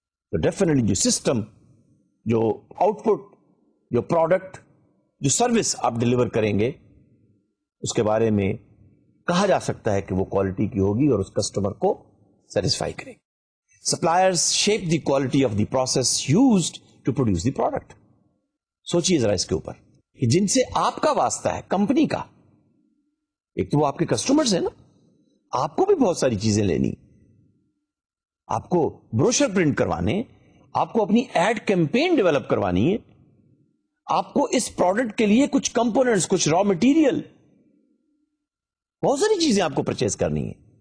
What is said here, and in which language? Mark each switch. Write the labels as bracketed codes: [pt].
[ur] تو ڈیفینیٹلی جو سسٹم, جو آؤٹ پٹ, جو پروڈکٹ, جو سروس آپ ڈلیور کریں گے اس کے بارے میں کہا جا سکتا ہے کہ وہ کوالٹی کی ہوگی اور اس کسٹمر کو سیٹسفائی کرے. [en] Suppliers shape the quality of the process used to produce the product. [ur] سوچئے ذرا اس کے اوپر کہ جن سے آپ کا واسطہ ہے کمپنی کا, ایک تو وہ آپ کے کسٹمرز ہیں نا, آپ کو بھی بہت ساری چیزیں لینی, آپ کو بروشر پرنٹ کروانے, آپ کو اپنی ایڈ کیمپین ڈیولپ کروانی ہے, آپ کو اس پروڈکٹ کے لیے کچھ کمپوننٹس, کچھ را مٹیریل, بہت ساری چیزیں آپ کو پرچیز کرنی ہے.